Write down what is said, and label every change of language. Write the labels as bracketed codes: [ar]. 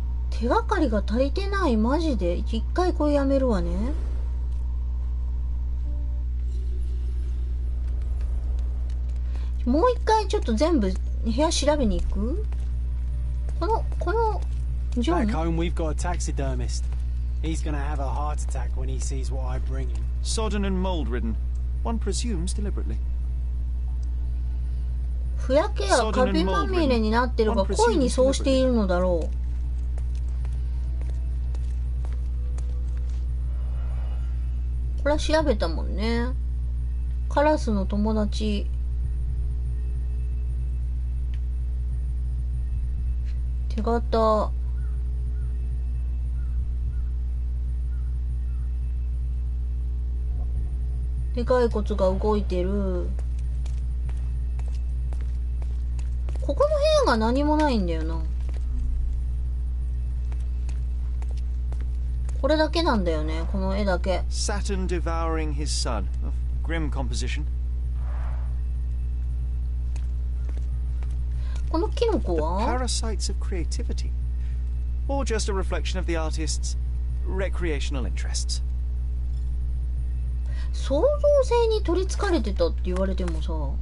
[ja] 手がかりが足りてない。マジで一回これやめるわね。もう一回ちょっと全部部屋調べに行く。このジョン。 [en] Back home we've got a taxidermist. He's gonna have a heart attack when he sees what I bring him. Sodden and mold ridden. One presumes deliberately. [ja] ふやけやカビまみれになってるが故意にそうしているのだろう。これは調べたもんね。カラスの友達。仕事。でかい骨が動いてる。ここの部屋が何もないんだよな。これだけなんだよね、この絵だけ。 [en] Saturn devouring his son. A grim composition. [ja] このキノコは? [en] Parasites of creativity. Or just a reflection of the artist's recreational interests. [ja] 創造性に取り憑かれてたって言われてもさ。